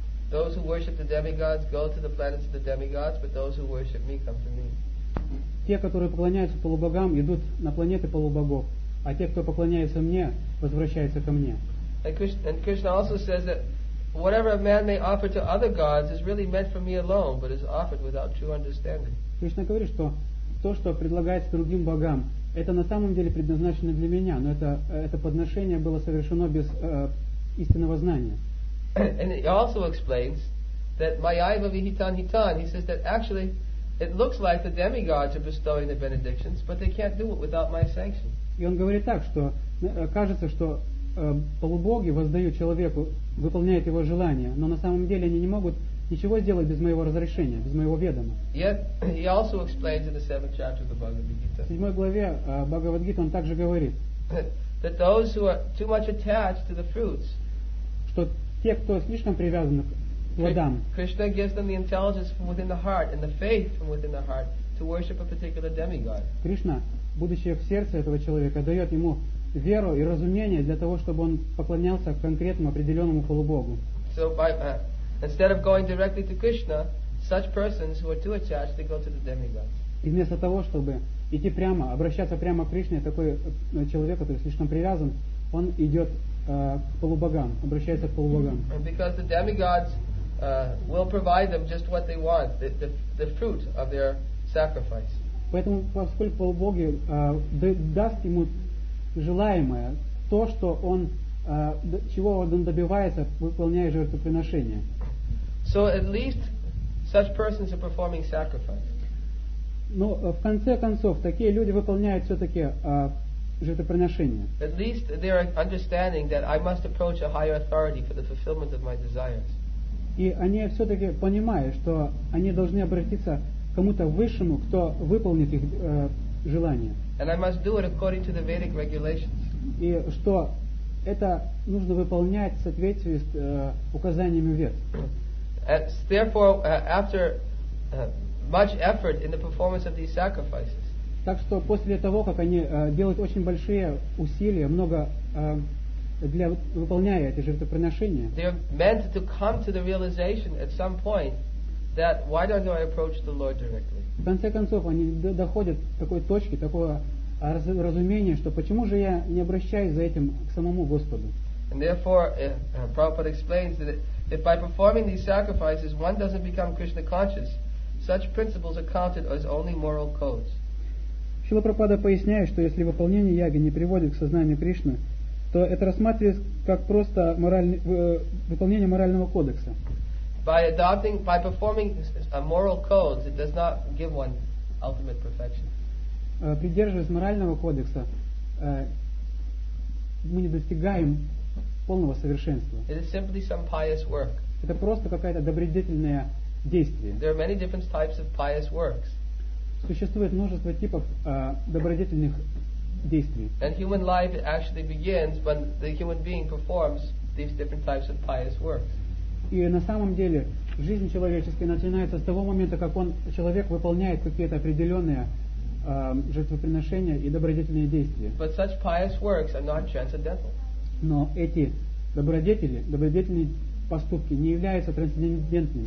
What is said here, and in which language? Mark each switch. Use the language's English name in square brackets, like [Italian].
[English] Those who worship the demigods go to the planets of the demigods, but those who worship me come to me. [Russian] Те, которые поклоняются полубогам, идут на планеты полубогов, а те, кто поклоняется мне, возвращаются ко мне. [English] And Krishna also says that whatever a man may offer to other gods is really meant for me alone, but is offered without true understanding. [Russian] Кришна говорит, что то, что предлагается другим богам, это на самом деле предназначено для меня, но это подношение было совершено без истинного знания. [English] And he also explains that [Sanskrit] Mayaiva Vihitan Hitan, [English] he says that actually it looks like the demigods are bestowing the benedictions, but they can't do it without my sanction. [Russian] И он говорит так, что кажется, что полубоги воздают человеку, выполняют его желания, но на самом деле они не могут ничего сделать без моего разрешения, без моего ведома. [English] Yet he also explains in the seventh chapter of the Bhagavad Gita. [Russian] В седьмой главе Бхагавад Гита он также говорит, [English] that those who are too much attached to the fruits, [Russian] что те, кто слишком привязаны к плодам, [English] Krishna gives them the intelligence from within the heart and the faith from within the heart to worship a particular demigod. [Russian] Кришна, будучи в сердце этого человека, дает ему веру и разумение для того, чтобы он поклонялся конкретному определенному полубогу. [English] So by instead of going directly to Krishna, such persons who are too attached, they go to the demigods. [Russian] И вместо того, чтобы идти прямо, обращаться прямо к Кришне, такой человек, который слишком привязан, он идет к полубогам, обращается к полубогам. [English] And because the demigods will provide them just what they want, the fruit of their sacrifice. [Russian] Поэтому, поскольку полубоги даст ему желаемое, то, что он чего он добивается, выполняя жертвоприношение. [English] So at least such persons are performing sacrifice. [Russian] Но в конце концов такие люди выполняют все-таки жертвоприношение. [English] At least they are understanding that I must approach a higher authority for the fulfillment of my desires. [Russian] И они все-таки понимают, что они должны обратиться к кому-то высшему, кто выполнит их желание. [English] And I must do it according to the Vedic regulations. [Russian] И что это нужно выполнять в соответствии с указаниями Вед. [English] Therefore, after much effort in the performance of these sacrifices, [Russian] так что после того, как они делают очень большие усилия, много для выполняя эти жертвоприношения. [English] They are meant to come to the realization at some point that why don't I approach the Lord directly? [Russian] В конце концов, они доходят к такой точке, такого разумения, что почему же я не обращаюсь за этим к самому Господу? [English] And therefore, Prabhupada explains that if by performing these sacrifices one doesn't become Krishna conscious, such principles are counted as only moral codes. [Russian] Шрила Прабхупада поясняет, что если выполнение яги не приводит к сознанию Кришны, то это рассматривается как просто выполнение морального кодекса. [English] By adopting, by performing a moral code, it does not give one ultimate perfection. [Russian] Придерживаясь морального кодекса, мы не достигаем полного совершенства. [English] It is simply some pious work. [Russian] Это просто какое-то добродетельное действие. [English] There are many different types of pious works. [Russian] Существует множество типов добродетельных действий. [English] And human life actually begins when the human being performs these different types of pious works. [Russian] И на самом деле жизнь человеческая начинается с того момента, как он человек выполняет какие-то определенные жертвоприношения и добродетельные действия. [English] But such pious works are not transcendental. [Russian] Но эти добродетели, добродетельные поступки не являются трансцендентными.